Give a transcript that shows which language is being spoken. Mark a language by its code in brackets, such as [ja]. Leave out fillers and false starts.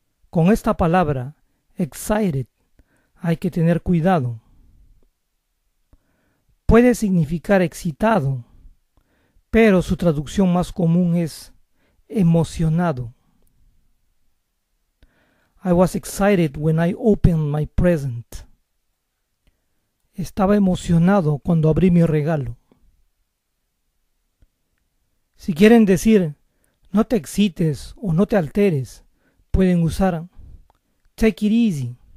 [es] Con esta palabra, excited, hay que tener cuidado. Puede significar excitado, pero su traducción más común es emocionado. [en] I was excited when I opened my present. [es] Estaba emocionado cuando abrí mi regalo. Si quieren decir, no te excites o no te alteres, pueden usar [en] take it easy.